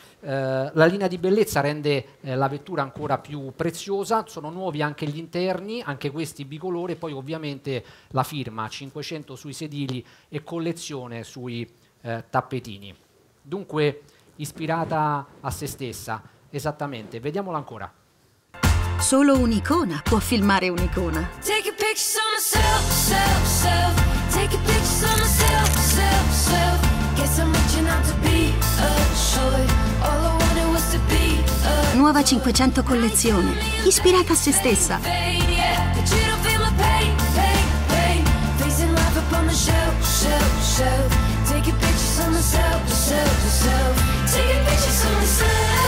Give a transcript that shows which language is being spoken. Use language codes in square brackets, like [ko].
[it] La linea di bellezza rende la vettura ancora più preziosa, sono nuovi anche gli interni, anche questi bicolore, poi ovviamente la firma 500 sui sedili e collezione sui tappetini. Dunque ispirata a se stessa, esattamente, vediamola ancora. Solo un'icona può filmare un'icona. [en] Take a picture of myself, self, self. Take a picture of myself, self, self. Guess I'm reaching out to be a toy. All I wanted was to be a toy. [it] Nuova 500 collezione, ispirata a se stessa. [en] Pain, yeah. But you don't feel my pain, pain, pain. Facing life upon the shelf, shelf, shelf. Take a picture of myself, self, self. Take a picture of myself.